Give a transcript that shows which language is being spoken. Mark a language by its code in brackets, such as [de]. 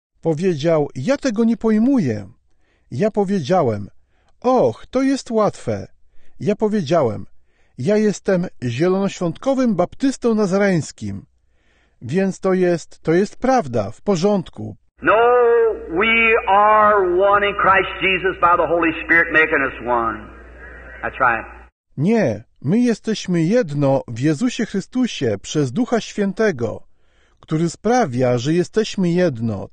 [pl] Powiedział, ja tego nie pojmuję. Ja powiedziałem, och, to jest łatwe. Ja powiedziałem, ja jestem zielonoświątkowym baptystą nazareńskim. Więc to jest prawda, w porządku. [en] No, we are one in Christ Jesus by the Holy Spirit making us one. That's right. [pl] Nie, my jesteśmy jedno w Jezusie Chrystusie przez Ducha Świętego, który sprawia, że jesteśmy jedno.